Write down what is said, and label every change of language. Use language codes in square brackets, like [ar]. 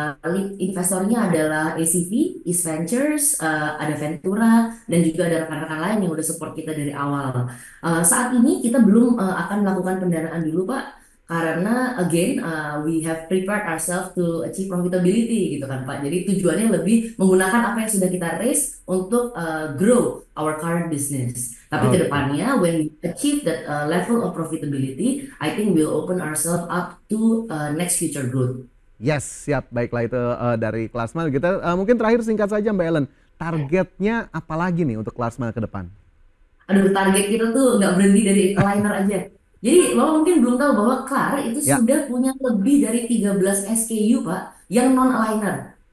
[id] Lead investornya adalah ACV, East Ventures, ada Ventura, dan juga ada rekan-rekan lain yang udah support kita dari awal. Saat ini kita belum akan melakukan pendanaan dulu Pak, karena again, [en] we have prepared ourselves to achieve profitability [id] gitu kan Pak. Jadi tujuannya lebih menggunakan apa yang sudah kita raise untuk [en] grow our current business. [id] Tapi kedepannya, [en] when we achieve that level of profitability, I think we'll open ourselves up to next future growth. Yes, siap. [id] Baiklah itu dari ClarSmile. Kita mungkin terakhir singkat saja Mbak Ellen, targetnya apa lagi nih untuk ClarSmile ke depan? Aduh, target kita tuh nggak berhenti dari aligner aja. Jadi, lo mungkin belum tahu bahwa Klar itu sudah punya lebih dari 13 SKU Pak yang non aligner.